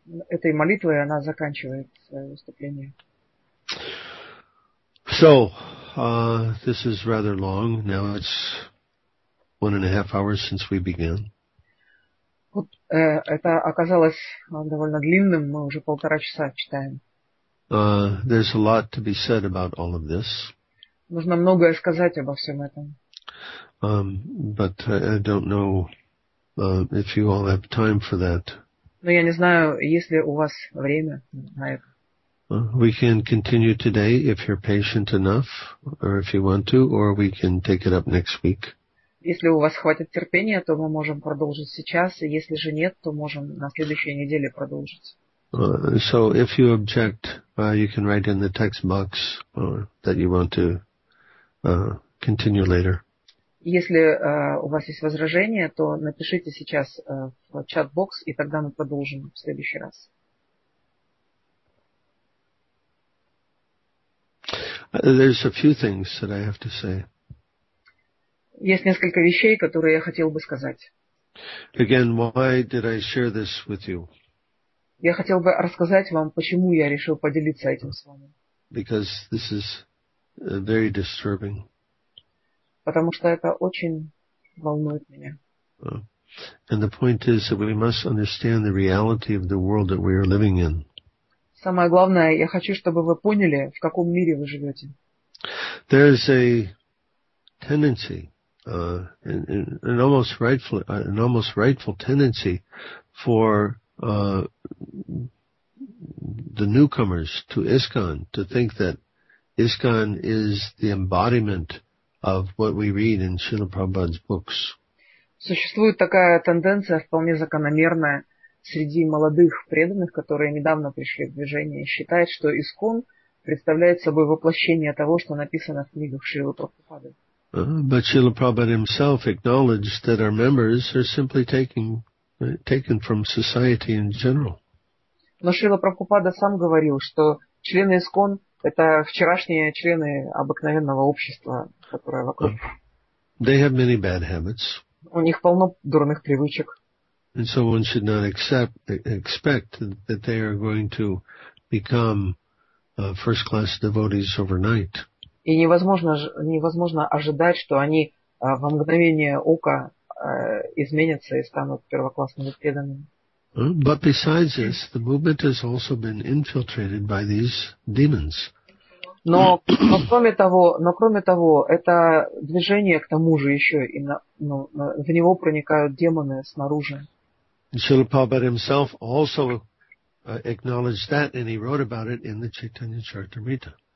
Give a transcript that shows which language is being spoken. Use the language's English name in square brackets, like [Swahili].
[Russian] Этой молитвой она заканчивает свое выступление. [English] So, this is rather long. Now it's 1.5 hours since we began. [Russian] Это оказалось довольно длинным. Мы уже полтора часа читаем. [English] There's a lot to be said about all of this. [Russian] Можно многое сказать обо всем этом. [English] But I don't know if you all have time for that. [Russian] Но я не знаю, есть ли у вас время на это. [English] We can continue today if you're patient enough, or if you want to, or we can take it up next week. [Russian] Если у вас хватит терпения, то мы можем продолжить сейчас, и если же нет, то можем на следующей неделе продолжить. [English] So if you object, you can write in the text box that you want to continue later. [Russian] Если у вас есть возражения, то напишите сейчас в чат-бокс, и тогда мы продолжим в следующий раз. [English] There's a few things that I have to say. [Russian] Есть несколько вещей, которые я хотел бы сказать. [English] Again, why did I share this with you? [Russian] Я хотел бы рассказать вам, почему я решил поделиться этим с вами. [English] Because this is very disturbing. [Russian] Потому что это очень волнует меня. [English] And the point is that we must understand the reality of the world that we are living in. [Russian] Самое главное, я хочу, чтобы вы поняли, в каком мире вы живете. [English] There is a tendency, an almost rightful tendency for the newcomers to ISKCON to think that ISKCON is the embodiment of what we read in Srila Prabhupada's books. [Russian] Существует такая тенденция, вполне закономерная, среди молодых преданных, которые недавно пришли в движение, считают, что ИСККОН представляет собой воплощение того, что написано в книгах Шрилы Прабхупады. [English] But Srila Prabhupada himself acknowledged that our members are simply taken from society in general. [Russian] Но Шрила Прабхупада сам говорил, что члены ИСККОН – это вчерашние члены обыкновенного общества, которое вокруг. [English] They have many bad habits. [Russian] У них полно дурных привычек. [English] And so one should not expect that they are going to become first-class devotees overnight. [Russian] И невозможно ожидать, что они во мгновение ока изменятся и станут первоклассными преданными. [English] But besides this, the movement has also been infiltrated by these demons. [Russian] Но кроме того, это движение к тому же еще и в него проникают демоны снаружи. [English] Srila Prabhupada himself also acknowledged that, and he wrote about it in the Chaitanya Charitamrita.